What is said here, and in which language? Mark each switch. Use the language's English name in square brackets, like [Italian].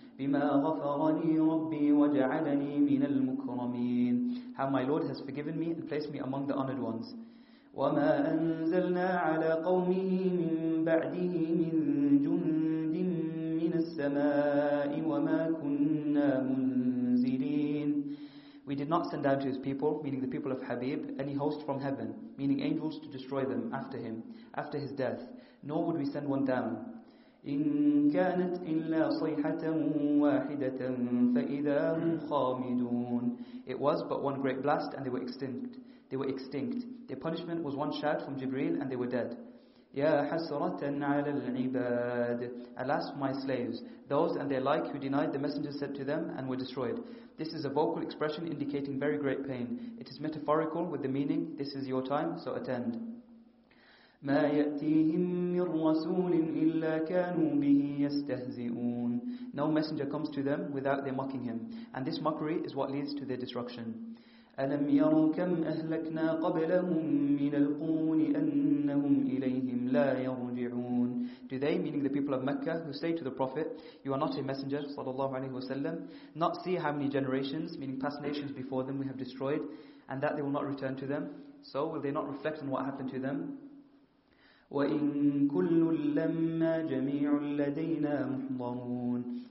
[Arabic] بما غفرني ربي وجعلني من المكرمين. [English] How my Lord has forgiven me and placed me among the honored ones. [Arabic] وما أنزلنا على قومه من بعده من جند من السماء وما كنا منزلين. [English] We did not send down to his people, meaning the people of Habib, any host from heaven, meaning angels to destroy them after him, after his death, nor would we send one down. [Arabic] إن كانت إلا صيحة واحدة فإذا هم خامدون. [English] It was but one great blast and they were extinct. They were extinct. Their punishment was one shout from Jibreel and they were dead. [Arabic] يا حسرة على العباد. [English] Alas for my slaves, those and their like who denied the messenger sent to them and were destroyed. This is a vocal expression indicating very great pain. It is metaphorical with the meaning, this is your time, so attend. [Arabic] ما يأتيهم من رسول إلا كانوا به يستهزئون. [English] No messenger comes to them without their mocking him, and this mockery is what leads to their destruction. [Arabic] ألم يروا كم أهلكنا قبلهم من القرون أنهم إليهم لا يرجعون. [English] Do they, meaning the people of Mecca, who say to the Prophet, "You are not a messenger," sallallahu alaihi wasallam, not see how many generations, meaning past nations before them, we have destroyed, and that they will not return to them? So will they not reflect on what happened to them? [Arabic] وَإِن كُلُّ لَمَّا جَمِيعُ لَدَيْنَا مُحْضَرُونَ.